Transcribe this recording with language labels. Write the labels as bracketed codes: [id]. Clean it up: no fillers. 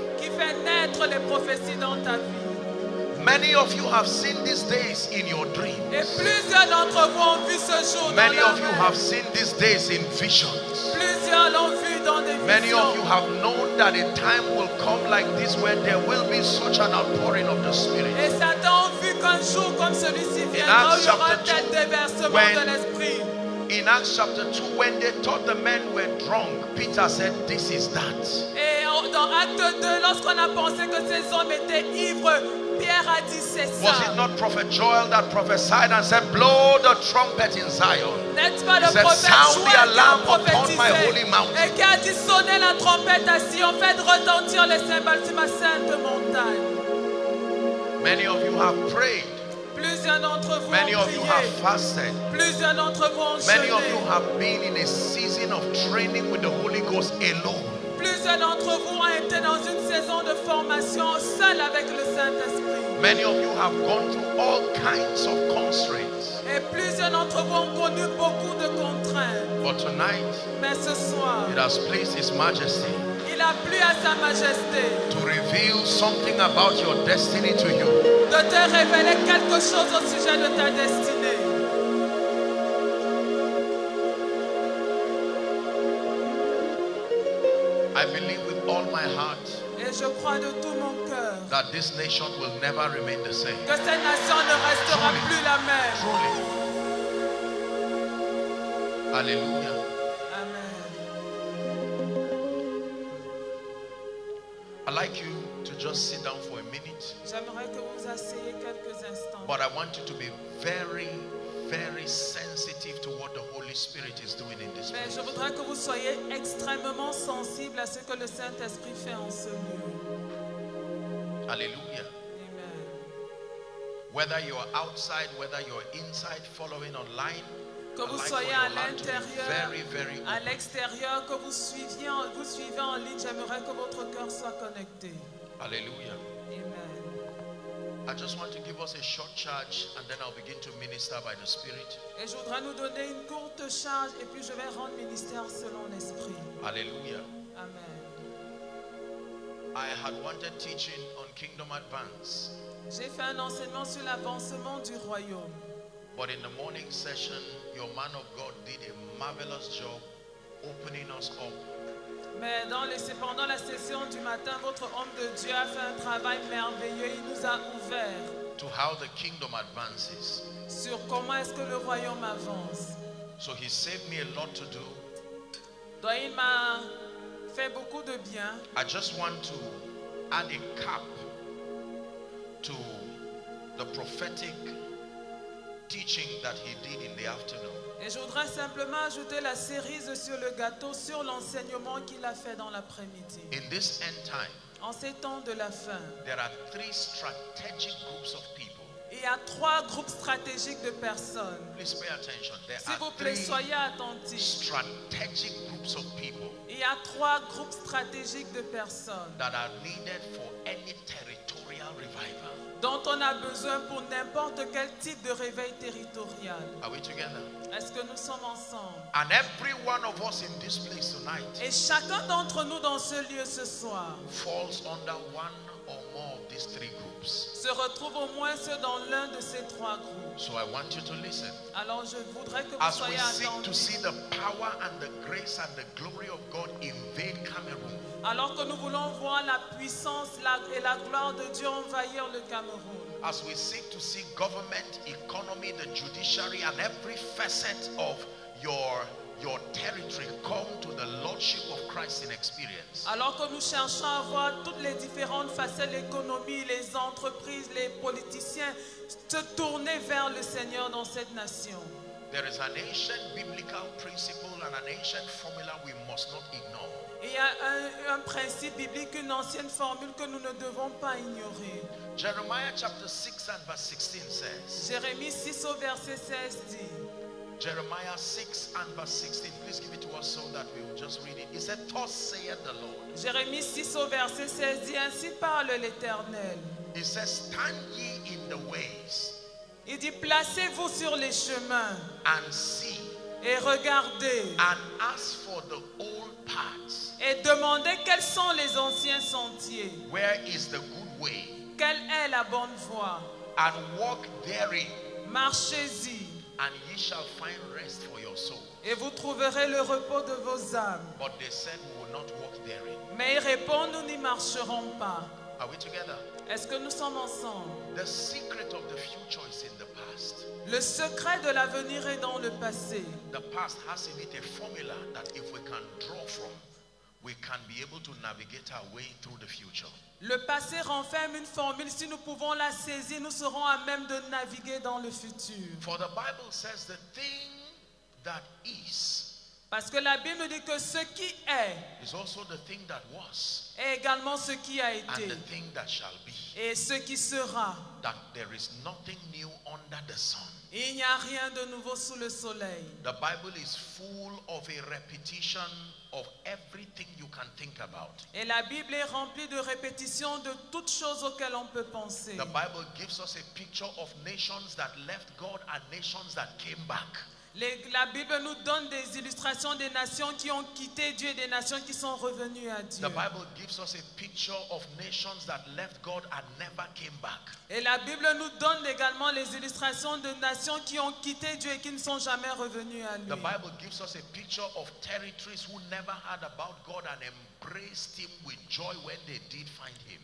[fr] Qui fait naître les prophéties dans ta vie. [en] Many of you have seen these days in your dreams. [fr] Et plusieurs d'entre vous ont vu ce jour. [en] Many of you have seen these days in visions. [fr] Plusieurs l'ont vu dans des visions. [en] Many of you have known that a time will come like this where there will be such an outpouring of the Spirit. [fr] Et Satan vu qu'un jour comme celui-ci viendra, il y aura tel déversement de l'esprit. [en] In Acts chapter 2, when they thought the men were drunk, Peter said, "This is that." [fr] Et dans Acte 2, lorsqu'on a pensé que ces hommes étaient ivres, Pierre a dit, c'est ça. [en] Was it not Prophet Joel that prophesied and said, "Blow the trumpet in Zion"? [fr] N'est-ce pas le prophète Joël qui a prophétisé? [en] "Sound the alarm upon my holy mountain." [fr] Et qui a dit, sonnez la trompette à Sion, faites retentir les cymbales sur ma sainte montagne. [en] Many of you have prayed. [fr] Plusieurs d'entre vous [en] Many [fr] ont prié. [en] Of you have fasted. [fr] Plusieurs d'entre vous ont [en] Many [fr] jeûné. [en] Of you have been in a season of training with the Holy Ghost alone. [fr] Plusieurs d'entre vous ont été dans une saison de formation seul avec le Saint-Esprit. [en] Many of you have gone through all kinds of constraints. [fr] Et plusieurs d'entre vous ont connu beaucoup de contraintes. [en] But tonight, [fr] mais ce soir, [en] it has pleased His Majesty. [fr] Il a plu à Sa Majesté. [en] To reveal something about your destiny to you. [fr] De te révéler quelque chose au sujet de ta destinée. [en] I believe with all my heart that this nation will never remain the same. [fr] Que cette nation ne restera plus la même. [en] Truly. Alléluia. Amen. I'd like you to just sit down for a minute. [fr] J'aimerais que vous asseyez quelques instants. [en] But I want you to be very, very sensitive to what the Holy Spirit is doing in this place. [fr] Mais je voudrais que vous soyez extrêmement sensible à ce que le Saint-Esprit fait en ce lieu. Alléluia. Amen. [en] Whether you are outside, whether you are inside, following online, [fr] que vous soyez à l'intérieur, à l'extérieur, que vous suivez en ligne, j'aimerais que votre cœur soit connecté. Alléluia. [en] I just want to give us a short charge and then I'll begin to minister by the Spirit. [fr] Et je voudrais nous donner une courte charge et puis je vais rendre ministère selon l'Esprit. Alléluia. Amen. [en] I had wanted teaching on kingdom advance. [fr] J'ai fait un enseignement sur l'avancement du royaume. [en] But in the morning session, your man of God did a marvelous job opening us up. [fr] Mais pendant la session du matin, votre homme de Dieu a fait un travail merveilleux. Il nous a ouvert [en] to how the kingdom advances. [fr] Sur comment est-ce que le royaume avance. [en] So he saved me a lot to do. [fr] Donc il m'a fait beaucoup de bien. [en] I just want to add a cap to the prophetic teaching that he did in the afternoon. [fr] Et je voudrais simplement ajouter la cerise sur le gâteau sur l'enseignement qu'il a fait dans l'après-midi. [en] In this end time, [fr] en ces temps de la fin, [en] there are three strategic groups of people. [fr] Il y a trois groupes stratégiques de personnes. [en] Please pay attention. There [fr] S'il vous plaît, soyez attentifs. [en] Strategic groups of people. [fr] Il y a trois groupes stratégiques de personnes [en] that are needed for any territorial revival. [fr] Dont on a besoin pour n'importe quel type de réveil territorial. [en] Are we together? [fr] Est-ce que nous sommes ensemble? [en] And every one of us in this place tonight. [fr] Et chacun d'entre nous dans ce lieu ce soir [en] falls under one or more of these three groups. [fr] Se retrouve au moins ceux dans l'un de ces trois groupes. [en] So I want you to listen. [fr] Alors je voudrais que vous soyez attentifs. [en] As we seek to see the power and the grace and the glory of God invade Cameroon. [fr] Alors que nous voulons voir la puissance et la gloire de Dieu envahir le Cameroun. [en] As we seek to see government, economy, the judiciary and every facet of your territory come to the lordship of Christ in experience. [fr] Alors que nous cherchons à voir toutes les différentes facettes, l'économie, les entreprises, les politiciens se tourner vers le Seigneur dans cette nation. [en] There is an ancient biblical principle and an ancient formula we must not ignore. [fr] Il y a un principe biblique, une ancienne formule que nous ne devons pas ignorer. [en] Jeremiah chapter 6 and verse 16 says. [fr] Jérémie 6 au verset 16 dit. [en] Jeremiah 6 and verse 16. Please give it to us so that we will just read it. It says, "Thus saith the Lord." [fr] Jérémie 6 au verset 16 dit, ainsi parle l'Éternel. [en] It says, "Stand ye in the ways." [fr] Il dit, placez-vous sur les chemins. [en] And see. [fr] Et regardez. [en] And ask for the old paths. [fr] Et demandez quels sont les anciens sentiers. [en] Where is the good way? [fr] Quelle est la bonne voie? [en] And walk therein. [fr] Marchez-y. [en] And ye shall find rest for your soul. [fr] Et vous trouverez le repos de vos âmes. [en] But they said, we will not walk therein. [fr] Mais ils répondent, nous n'y marcherons pas. [en] Are we together? [fr] Est-ce que nous sommes ensemble? [en] The secret of the future is in the past. [fr] Le secret de l'avenir est dans le passé. [en] The past has in it a formula that if we can draw from, we can be able to navigate our way through the future. [fr] Le passé renferme une formule. Si nous pouvons la saisir, nous serons à même de naviguer dans le futur. [en] For the Bible says the thing that is. [fr] Parce que la Bible dit que ce qui est [en] is also the thing that was, [fr] est également ce qui a été [en] and the thing that shall be, [fr] et ce qui sera. [en] That there is nothing new under the sun. [fr] Il n'y a rien de nouveau sous le soleil. [en] The Bible is full of a repetition of everything you can think about. [fr] Et la Bible est remplie de répétitions de toutes choses auxquelles on peut penser. [en] The Bible gives us a picture of nations that left God and nations that came back. [fr] La Bible nous donne des illustrations des nations qui ont quitté Dieu et des nations qui sont revenues à Dieu. [en] The Bible gives us a picture of nations that left God and never came back. [fr] Et la Bible nous donne également les illustrations de nations qui ont quitté Dieu et qui ne sont jamais revenues à lui. [en] The Bible gives us a picture of territories who never heard about God and embraced him with joy when they did find him.